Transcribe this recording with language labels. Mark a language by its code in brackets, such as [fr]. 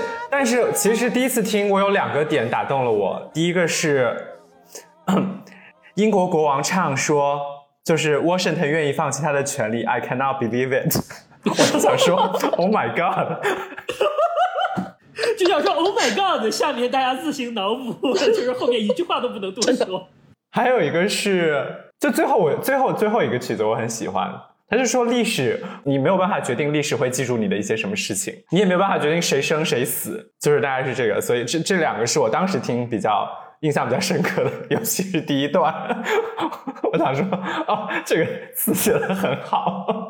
[zh] 但是其实第一次听我有两个点打动了我。第一个是英国国王唱说，就是 Washington 愿意放弃他的权利， [en] I cannot believe it。 [zh] 我就想说 [en] Oh my god， [zh] 就想说 [en] Oh my god， [zh] 下面大家自行脑补，就是后面一句话都不能多说。还有一个是就最后一个曲子我很喜欢，他就说历史，你没有办法决定历史会记住你的一些什么事情，你也没有办法决定谁生谁死，就是大概是这个。所以这两个是我当时听比较印象比较深刻的，尤其是第一段，我想说哦，这个词写得很好，